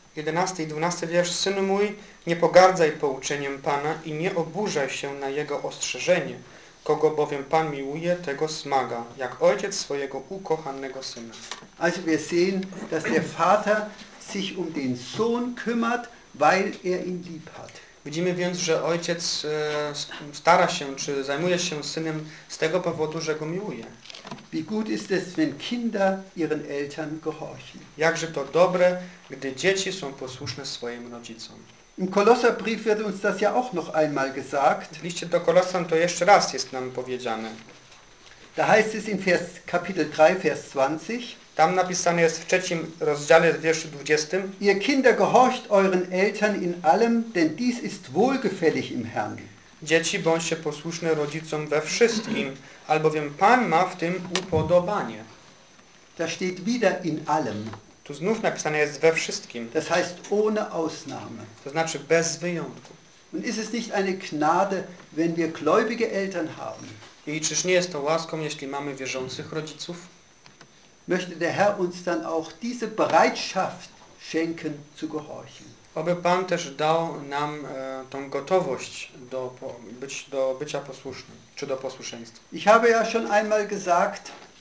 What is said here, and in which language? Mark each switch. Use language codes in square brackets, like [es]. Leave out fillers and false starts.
[pl] 11. i 12. wiersz. Synu mój, nie pogardzaj pouczeniem Pana i nie oburzaj się na jego ostrzeżenie. Kogo bowiem Pan miłuje, tego smaga, jak ojciec swojego ukochanego syna. [de] Also wir sehen, dass der Vater sich um den Sohn kümmert, weil er ihn lieb hat. [pl] Widzimy więc, że ojciec stara się, czy zajmuje się synem z tego powodu, że go miłuje. [de] Wie gut ist es, wenn Kinder ihren Eltern gehorchen. [pl] Jakże to dobre, gdy dzieci są posłuszne swoim rodzicom. [de] Im Kolosserbrief wird uns das ja auch noch einmal gesagt. [pl] W liście do Kolosan to jeszcze raz jest nam powiedziane. [de] Da heißt es in Vers, Kapitel 3, Vers 20. [pl] Tam napisane jest w trzecim rozdziale, w wierszu 20. [de] Ihr Kinder, gehorcht euren Eltern in allem, denn dies ist wohlgefällig im Herrn. [pl] Dzieci, bądźcie posłuszne rodzicom we wszystkim, albowiem Pan ma w tym upodobanie. [de] Da steht wieder in allem. [pl] Tu znów napisane jest we wszystkim. [de] Das heißt ohne Ausnahme. [pl] To znaczy bez wyjątku. [de] Und ist es nicht eine Gnade, wenn wir gläubige Eltern haben? [pl] I czyż nie jest to łaską, jeśli mamy wierzących rodziców? [de] Möchte der Herr uns dann auch diese Bereitschaft schenken zu gehorchen. [pl] Oby Pan też dał nam tą gotowość do bycia posłusznym, czy do posłuszeństwa. [de] Ich habe ja schon einmal gesagt,